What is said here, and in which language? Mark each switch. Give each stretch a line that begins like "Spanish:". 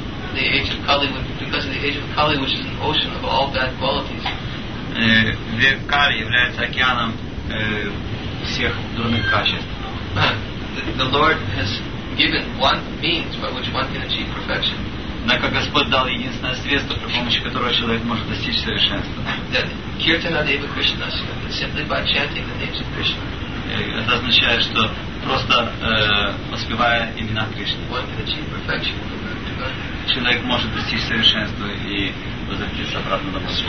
English: The age of Kali, because of the age of Kali, which is an ocean of all bad qualities.
Russian: Век Кали является океаном всех дурных качеств.
English: The Lord has given one means by which one can achieve perfection.
Russian: Однако Господь дал единственное средство, при помощи которого человек может достичь совершенства.
English: That Kirtana Deva Krishna Sutta, simply by chanting the names of Krishna.
Russian: Это означает, что просто воспевая имена Кришны,
English: one can achieve perfection.
Russian: Человек может достичь совершенства и возвратиться обратно на Господь.